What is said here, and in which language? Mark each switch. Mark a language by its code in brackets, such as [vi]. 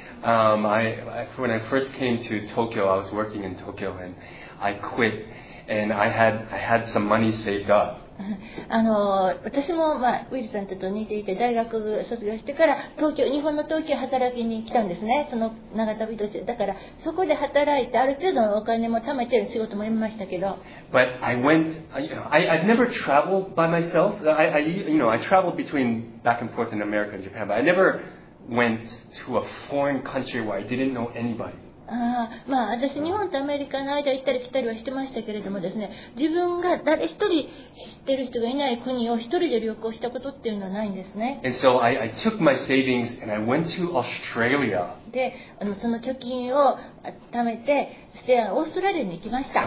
[en] When I first came to Tokyo, I was working in Tokyo, and I quit, and I had some money saved up. [ja] 私も、まあ、ウィルさんと似ていて大学卒業してから東京、日本の東京働きに来たんですね。その長旅として、だからそこで働いてある程度のお金も貯めてる仕事もやめましたけど。 [en] But I went, I've never traveled by myself. I traveled between back and forth in America and Japan, but I never went to a foreign country where I didn't know anybody. [ja] まあ、私日本とアメリカの間行ったり来たりはしてましたけれどもですね、自分が誰一人知ってる人がいない国を一人で旅行したことっていうのはないんですね。 [en] And so I took my savings and I went to Australia. [ja] で、その貯金を貯めて、そしてオーストラリアに行きました。